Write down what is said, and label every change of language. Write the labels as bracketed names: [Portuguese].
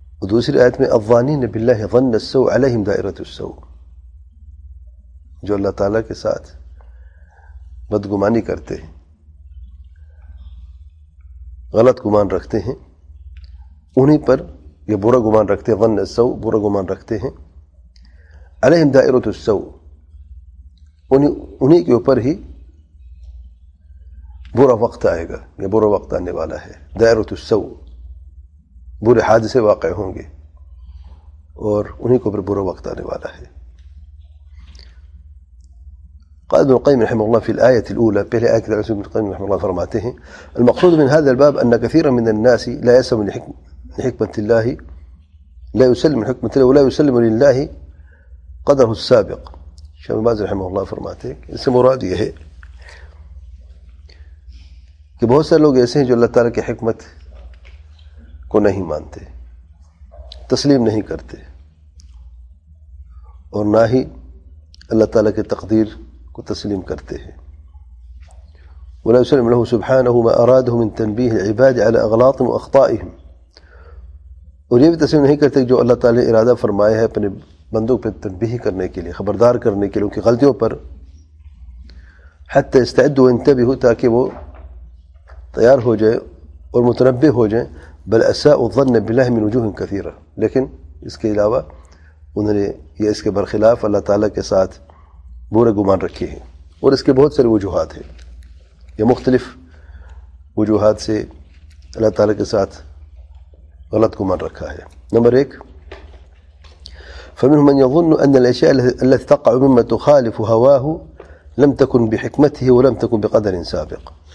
[Urdu] دوسری آیت میں [Arabic] الظانین باللہ ظن السوء علیہم دائرۃ السوء، [Urdu] جو اللہ تعالیٰ کے ساتھ بدگمانی کرتے ہیں، غلط گمان رکھتے ہیں انہیں پر، یہ برا گمان رکھتے ہیں، ظن السوء برا گمان رکھتے ہیں، علیہم دائرۃ السوء انہیں کے اوپر ہی برا وقت آئے گا، یہ برا وقت آنے والا ہے، دائرۃ السوء برے حادثے واقع ہوں گے اور انہیں کے اوپر برا وقت آنے والا ہے. [Arabic] قال ابن القيم رحمه الله في الآية الأولى بلا آية كذا ابن القيم رحمه الله فرماته المقصود من هذا الباب أن كثيرا من الناس لا يسلم لحكمة الله، لا يسلم لحكمة الله ولا يسلم لله قدره السابق. [Urdu] شيخ باز رحمه الله فرماته اسم مراد یہ ہے کہ بہت سارے لوگ ایسے ہیں جو اللہ تعالیٰ کی حکمت کو نہیں مانتے، تسلیم نہیں کرتے، اور نہ ہی اللہ تعالیٰ کی تقدیر کو تسلیم کرتے ہیں. [Arabic] ولا يسلم له سبحانه ما اراده من تنبيه العباد على اغلاطهم واخطائهم، [Urdu] اور یہ بھی تسلیم نہیں کرتے جو اللہ تعالی نے ارادہ فرمایا ہے اپنے بندوں پہ تنبیہ کرنے کے لیے، خبردار کرنے کے لیے ان کی غلطیوں پر، [Arabic] حتى استعدوا وانتبهوا، [Urdu] تاکہ وہ تیار ہو جائے اور متنبہ ہو جائے، [Arabic] بل اساء الظن بالله من وجوه كثيره، [Urdu] لیکن اس کے علاوہ انہوں نے یہ اس کے برخلاف اللہ تعالی کے ساتھ برے گمان رکھے ہیں، اور اس کے بہت سارے وجوہات ہیں، یہ مختلف وجوہات سے اللہ تعالیٰ کے ساتھ غلط گمان رکھا ہے. نمبر ایک، [Arabic] فمنهم من يظن ان الاشياء التي تقع مما تخالف هواه لم تكن بحكمته ولم تكن بقدر سابق.